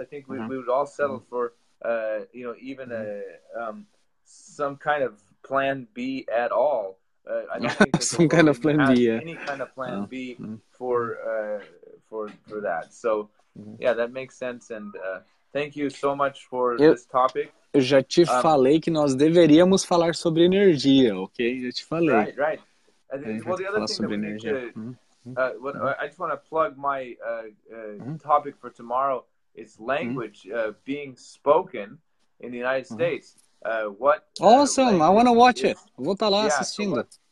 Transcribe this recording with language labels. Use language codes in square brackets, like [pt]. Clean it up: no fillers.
[en] I think we would all settle for, you know, even some kind of plan B at all. I don't think there's any kind of plan B for that. So, yeah, that makes sense. And thank you so much for this topic. [pt] Eu já te falei que nós deveríamos falar sobre energia, ok? Já te falei. [en] Right, right. And, well, the other thing that we need to... I just want to plug my topic for tomorrow. It's language being spoken in the United States. What? Awesome! I want to watch it. [pt] Vou estar lá assistindo.